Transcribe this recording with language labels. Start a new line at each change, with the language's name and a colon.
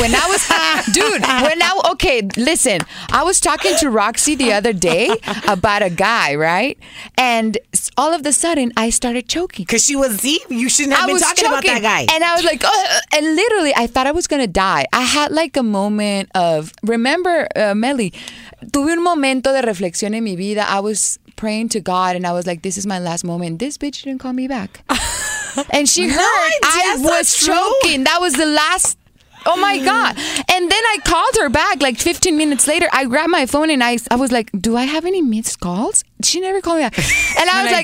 English: When I was dude, when I okay, listen. I was talking to Roxy the other day about a guy, right? And all of a sudden I started choking. Cause she was deep. You shouldn't have I been talking choking, about that guy. And I was like, and literally I thought I was gonna die. I had like a moment of remember Melly.
Spanish: Tuve un momento de reflexión en mi vida.
English: I was praying to God and I was like, this is my last moment. This bitch didn't call me back. And she heard I was choking. That was the last. Oh my God. And then I called her back like 15 minutes later. I grabbed my phone and I was like, do I have any missed calls? She never called me back. And I was like,